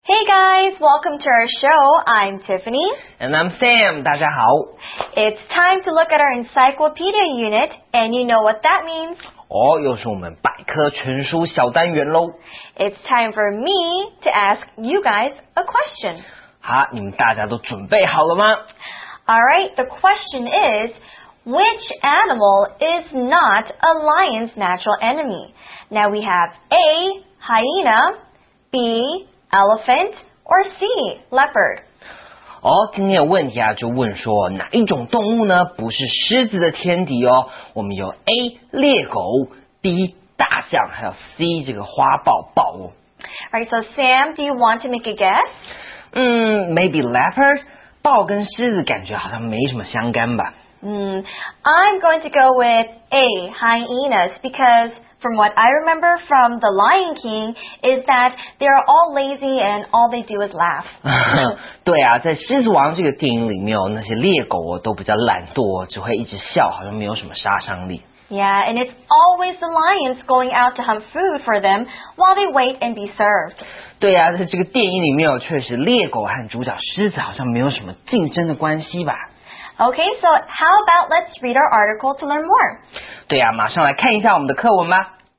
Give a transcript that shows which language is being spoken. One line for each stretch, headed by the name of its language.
English: Hey guys, welcome to our show. I'm Tiffany. And I'm Sam.
Chinese: 大家好。
English: It's time to look at our encyclopedia unit, and you know what that means.
Chinese: 哦，又是我们百科全书小单元咯。
English: It's time for me to ask you guys a question.
Chinese: 好，你们大家都准备好了吗？
English: Alright, the question is... Which animal is not a lion's natural enemy? Now we have A, hyena, B, elephant, or C, leopard.
Chinese: 哦，今天的问题啊，就问说哪一种动物呢，不是狮子的天敌哦？我们有 A, 猎狗 ，B, 大象，还有 C, 这个花豹豹哦。
English: Alright, so Sam, do you want to make a guess? Maybe leopard.
Chinese: 豹跟狮子感觉好像没什么相干吧。
English: I'm going to go with A, hyenas, because from what I remember from The Lion King is that they are all lazy and all they do is laugh.
Chinese: 对啊，在狮子王这个电影里面，那些猎狗都比较懒惰，只会一直笑，好像没有什么杀伤力。
English: Yeah, and it's always the lions going out to hunt food for them while they wait and be served.
Chinese: 对啊，在这个电影里面，确实猎狗和主角狮子好像没有什么竞争的关系吧。
English: Okay, so how about let's read our article to learn more?
Chinese: 对啊，马上来看一下我们的课文吧。